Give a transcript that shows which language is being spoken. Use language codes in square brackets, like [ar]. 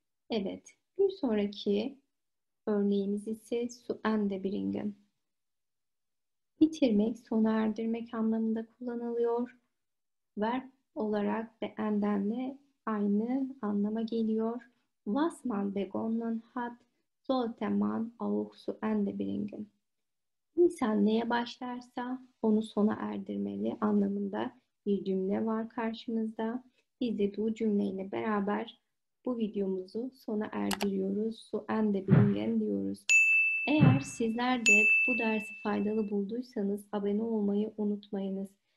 [tr] Evet, bir sonraki örneğimiz ise zu Ende bringen. Bitirmek, sona erdirmek anlamında kullanılıyor. Verb olarak beendenle aynı anlama geliyor. [de] Was man begonnen hat, sollte man auch zu Ende bringen. [tr] İnsan neye başlarsa onu sona erdirmeli anlamında bir cümle var karşımızda. Biz de bu cümleyle beraber bu videomuzu sona erdiriyoruz. So and the bilingen diyoruz. Eğer sizler de bu dersi faydalı bulduysanız abone olmayı unutmayınız.